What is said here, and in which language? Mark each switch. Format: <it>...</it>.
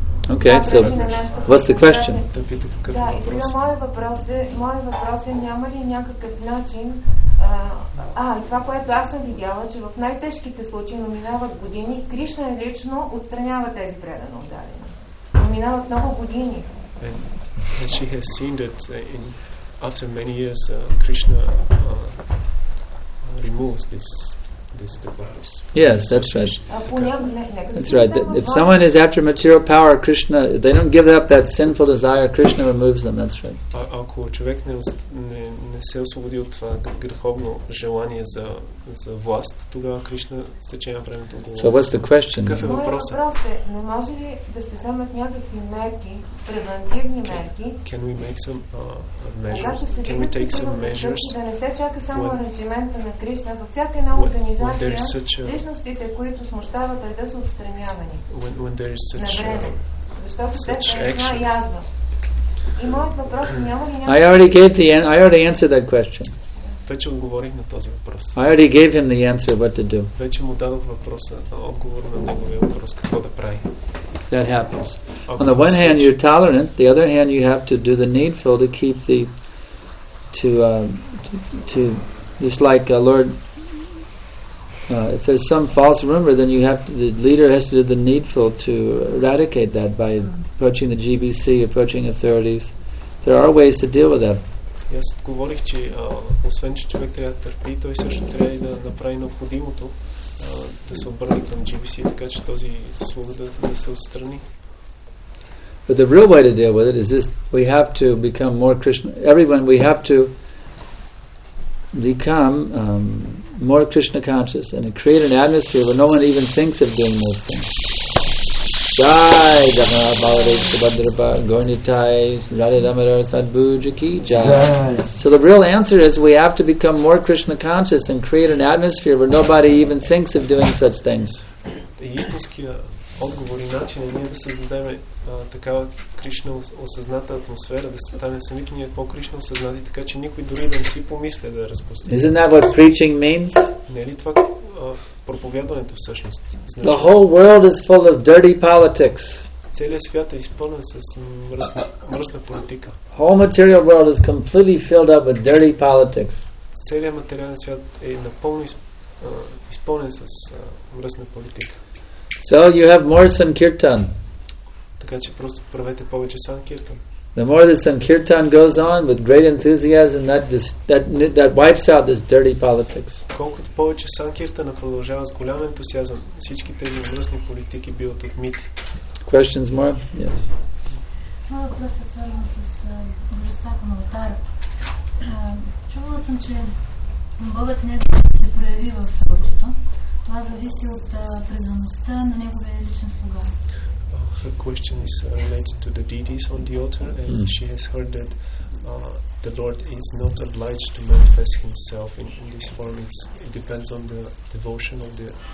<en>Okay, so what's the question?</en> <bg>Да, и сега моят въпрос е няма ли някакъв начин. Това, което аз съм видяла, че в най-тежките случаи минават години, Кришна лично отстранява тези предани ударени. Минават много години.</bg> <en>And she has seen that in after many years Krishna removes this devotees. Yes, that's right. That's right. If someone is after material power, Krishna, they don't give up that sinful desire, Krishna removes them. That's right.</en> <bg>Ако човек не се освободи от това греховно желание за власт, тогава Кришна с течение на времето го.</bg> <en>So what's the question?</en> <bg>Какъв е въпросът? Въпрос е, не може ли да се вземат някакви мерки, превентивни мерки?</bg> <en>Can we make some measures? Can we take some measures?</en> <bg>Да не се чака само ангажимента на Кришна, във всяка една организация, личностите, които смущават, да са отстранявани.</bg> <en>When there is such action. I already gave the I already answered that question. Вече отговорих на този въпрос. I already gave him the answer what to do. Вече му дадох въпроса, отговор на неговия въпрос какво да прави. That happens. On the one hand you're tolerant, the other hand you have to do the needful to keep the to just like Lord if there's some false rumor then you have to, the leader has to do the needful to eradicate that by approaching the GBC, approaching authorities. There are ways to deal with that.</en> <bg>Yes, говорих, че освен че човек трябва да търпи, той също трябва да направи необходимото да се обърне към GBC, така че този слуга да се отстрани.</bg> <en>But the real way to deal with it is this: we have to become more Krishna. Everyone, we have to become more Krishna conscious and create an atmosphere where no one even thinks of doing those things. Jai Dhamma Bhavade Subhadrapa Gornitai Radha Dhammadara Sadbhu Jaki Jai. So the real answer is we have to become more Krishna conscious and create an atmosphere where nobody even thinks of doing such things.</en> <bg>The истинския отговор и начин е ние да създадем такава Кришна осъзната атмосфера, да станем сами ние по-Кришна осъзнати, така че никой дори да не си помисля да разпусти.</bg> <en>Isn't that what preaching means?</en> <bg>Не ли това проповядването всъщност?</bg> <en>Значи, the whole world is full of dirty politics.</en> <bg>Целият свят е изпълнен с мръсна политика.</bg> <en>Whole material world is completely filled up with dirty politics.</en> <bg>Целият материален свят е напълно изпълнен с мръсна политика.</bg> <en>So you have more sankirtan.</en> <bg>Така че просто правете повече санкиртан.</bg> <en>The more the sankirtan goes on with great enthusiasm, that wipes out this dirty politics.</en> <bg>Колкото повече санкиртана продължава с голям ентусиазъм, всички тези мръсни политики биват отмити.</bg> <en>Questions more? Yes.</en> <bg>Моя въпрос е свързан с божествата на алтара. Чувала съм, че Богът не се прояви в Сватито. Това зависи от преданността на неговия личен слуга.</bg> <en>Her question is related to the deities on the altar, and she has heard that the Lord is not obliged to manifest himself in this form. It depends on the devotion of the</en>